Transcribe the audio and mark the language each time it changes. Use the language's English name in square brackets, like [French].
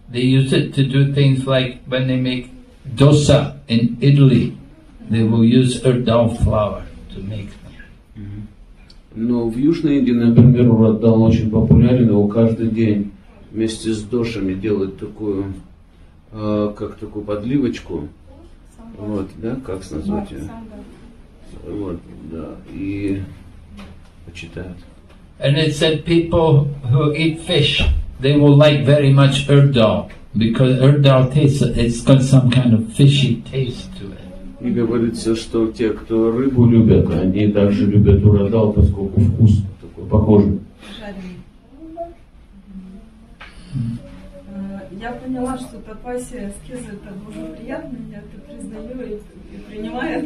[English] They use it to do things like when they make dosa in Italy, they will use urdal flour to make them. [Russian] Но в Южной Индии, например, урдал очень популярен, его каждый день вместе с дошами делают такую, как такую подливочку. Вот, да, как назвать ее? Вот, да, и почитают. [English] And it said people who eat fish, they will like very much urdal. Because urdal tastes, it's got some kind of fishy taste to it. [Russian] И говорится, что те, кто рыбу любят, они также любят урдал, поскольку вкус такой похожий. Жареный. Я поняла, что тапаси эскизы это очень приятно, я это признаю и принимаю.